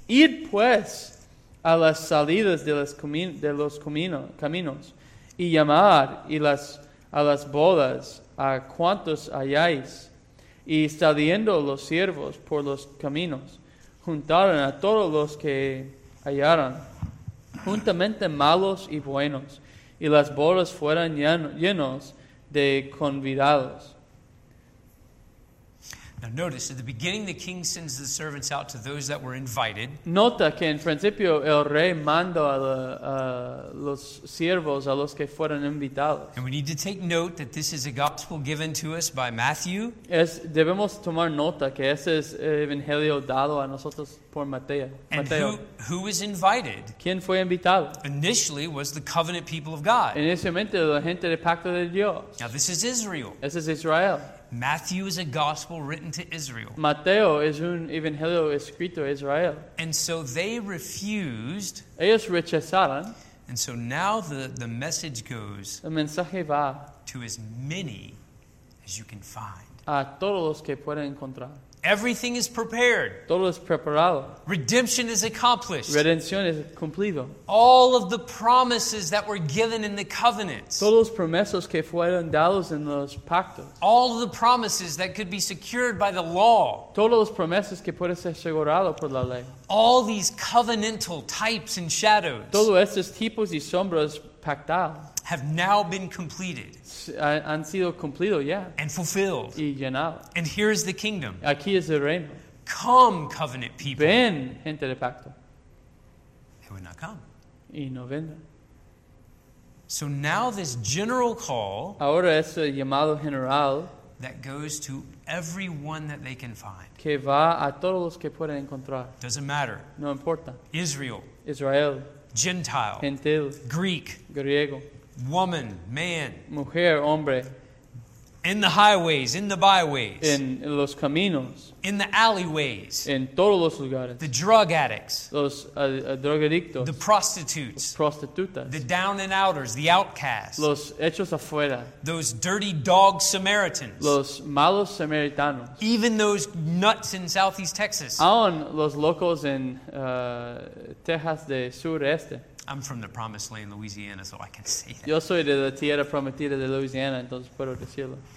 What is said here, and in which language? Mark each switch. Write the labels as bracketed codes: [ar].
[es] Id pues a las salidas de los caminos y llamad a las bodas a cuantos halláis. Y saliendo los siervos por los caminos, juntaron a todos los que hallaron, juntamente malos y buenos, y las bodas fueron llenos de convidados. [en] Now notice, at the beginning the king sends the servants out to those that were invited. [es] Nota que en principio el rey manda a los siervos a los que fueron invitados. [en] And we need to take note that this is a gospel given to us by Matthew. [es] Debemos tomar nota que ese es el evangelio dado a nosotros por Mateo. [en] And who was invited? [es] ¿Quién fue invitado? [en] Initially was the covenant people of God. [es] Inicialmente la gente del pacto de Dios. [en] Now this is Israel. [es] Ese es Israel. [en] Matthew is a gospel written to Israel. [es] Mateo es un evangelio escrito a Israel. [en] And so they refused. [es] Ellos rechazaron. [en] And so now the message goes. [es] El mensaje va. [en] To as many as you can find. [es] A todos los que pueden encontrar. [en] Everything is prepared. [es] Todo es preparado. [en] Redemption is accomplished. [es] Redención es cumplido. [en] All of the promises that were given in the covenants. [es] Todos los promesas que fueron dados en los pactos. [en] All of the promises that could be secured by the law. [es] Todos los promesas que puede ser asegurado por la ley. [en] All these covenantal types and shadows. [es] Todos estos tipos y sombras pactal. [en] Have now been completed. [es] Han sido cumplido, yeah. [en] And fulfilled. [es] Y llenado. [en] And here is the kingdom. [es] Aquí es el reino. [en] Come, covenant people. [es] Ven, gente de pacto. [en] They would not come. [es] Y no vendrán. [en] So now this general call. [es] Ahora ese llamado general. [en] That goes to everyone that they can find. [es] Que va a todos los que pueden encontrar. [en] Doesn't matter. [es] No importa. [en] Israel. [es] Israel. [en] Gentile. [es] Gentil. [en] Greek. [es] Griego. [en] Woman, man. [es] Mujer, hombre. [en] In the highways, in the byways. [es] En los caminos. [en] In the alleyways. [es] En todos los lugares. [en] The drug addicts. [es] Los drogadictos. [en] The prostitutes. [es] Los prostitutas. [en] The down and outers, the outcasts. [es] Los hechos afuera. [en] Those dirty dog Samaritans. [es] Los malos samaritanos. [en] Even those nuts in Southeast Texas. [es] Aún los locos en Texas del sureste. [en] I'm from the Promised Land, Louisiana, so I can say that. [es] Yo soy de la tierra prometida de Louisiana, entonces puedo decirlo.